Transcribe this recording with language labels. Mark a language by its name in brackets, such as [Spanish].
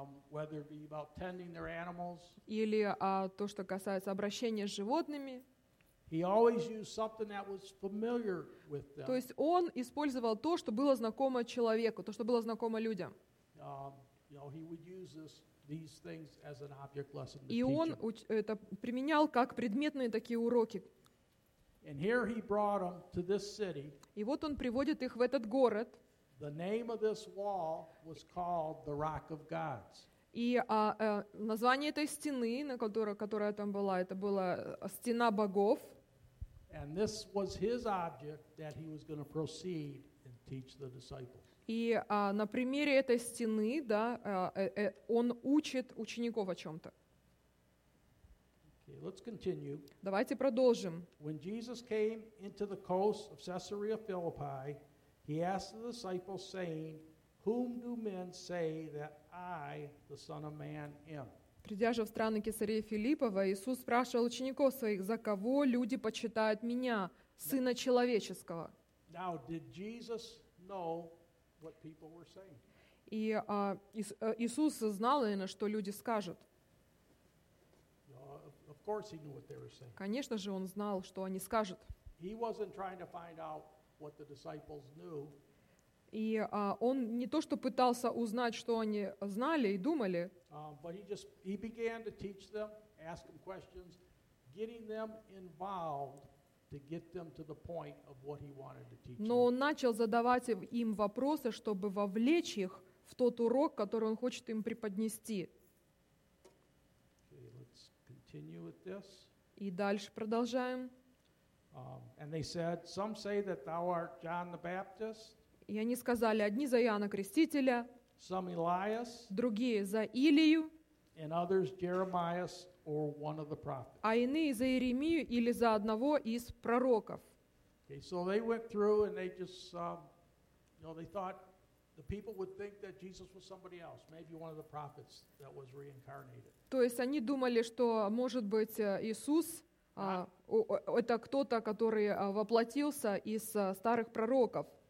[English] whether it be about tending their animals, [Russian] или то, что касается обращения с животными. [English] He always used something that was familiar with them. [Russian] То есть он использовал то, что было знакомо человеку, то, что было знакомо людям. [English] You know, he would use these things as an object lesson. [Russian] И он это применял как предметные такие уроки. [English] And here he brought them to this city. [Russian] И вот он приводит их в этот город. [English] The name of this wall was called the Rock of Gods. [Russian] И название этой стены, на которая там была, это была стена богов. [English] And this was his object that he was going to proceed and teach the disciples. [Russian] И на примере этой стены, да, он учит учеников о чем-то. [English] Okay, let's continue. [Russian] Давайте продолжим. [English] When Jesus came into the coast of Caesarea Philippi, he asked the disciples, saying, "Whom do men say that I, the Son of Man, am?" [Russian] Придя же в страны Кесарии Филипповой, Иисус спрашивал учеников своих, за кого люди почитают меня, Сына человеческого. [English] Now, did Jesus know what people were saying? [Russian] И Иисус знал, наверное, что люди скажут. [English] Of course, he knew what they were saying. [Russian] Конечно же, он знал, что они скажут. [English] He wasn't trying to find out what the disciples knew. [Russian] И он не то, что пытался узнать, что они знали и думали. [English] But he began to teach them, ask them questions, getting them involved to get them to the point of what he wanted to teach them. [Russian] Но он начал задавать им вопросы, чтобы вовлечь их в тот урок, который он хочет им преподнести. [English] Okay, let's continue with this. [Russian] И дальше продолжаем. [English] And they said, some say that thou art John the Baptist. [Russian] И они сказали, одни за Иоанна Крестителя, [English] some Elias, [Russian] другие за Илию, [English] and others Jeremiah or one of the prophets. [Russian] А иные за Иеремию или за одного из пророков. [English] Okay, so they went through and they just, they thought the people would think that Jesus was somebody else, maybe one of the prophets that was reincarnated. [Russian] То есть они думали, что, может быть, Иисус, это кто-то, который воплотился из старых пророков.